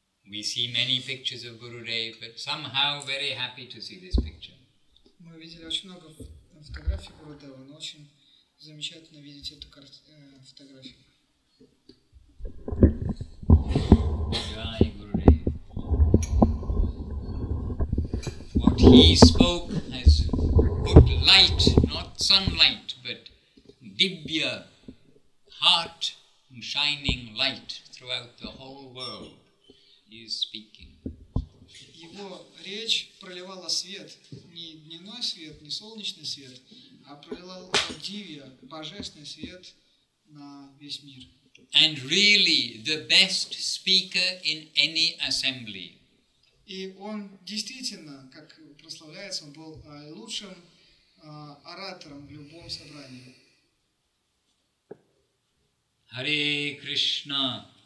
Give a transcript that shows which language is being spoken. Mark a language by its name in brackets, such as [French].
[English] We see many pictures of Gurudev, but somehow very happy to see this picture. [Russian] Мы видели очень много фотографий Гурудева, но очень замечательно видеть эту фотографию. [Sanskrit] Jai Gurudev. [English] What he spoke has put light, not sunlight, but Dibya, heart shining light throughout the whole world. He is speaking. [Russian] Его речь проливала свет, не дневной свет, не солнечный свет, а проливала Дивья, божественный свет на весь мир. [English] And really the best speaker in any assembly. [Russian] И он действительно, как прославляется, он был лучшим оратором в любом собрании. [Sanskrit] Hare Krishna.